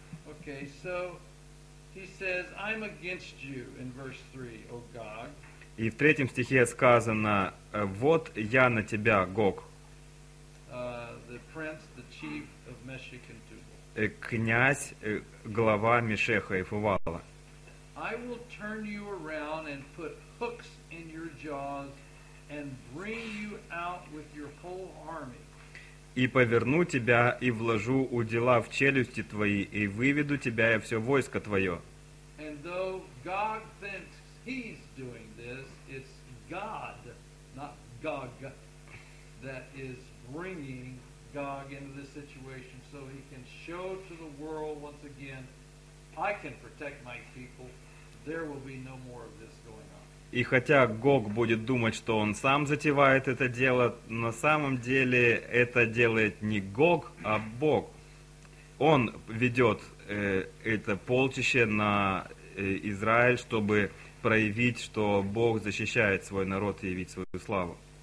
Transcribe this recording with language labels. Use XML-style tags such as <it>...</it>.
<en>Okay, so he says, I'm against you in verse 3, O Gog.</en> <ru>И в третьем стихе сказано, вот я на тебя, Гог.</ru> <en>The prince, the chief of Meshech and Tubal.</en> <ru>Князь, глава Мешеха и Фувала.</ru> <en>I will turn you around and put hooks in your jaws and bring you out with your whole army.</en> <ru>И поверну тебя, и вложу удила в челюсти твои, и выведу тебя, и все войско твое.</ru> <en>And though Gog thinks he's doing this, it's God, not Gog, that is bringing Gog into this situation, so he can show to the world once again, I can protect my people, there will be no more of this going on.</en> <ru>И хотя Гог будет думать, что он сам затевает это дело, на самом деле это делает не Гог, а Бог. Он ведет это полчище на Израиль, чтобы проявить, что Бог защищает свой народ и явить свою славу.</ru>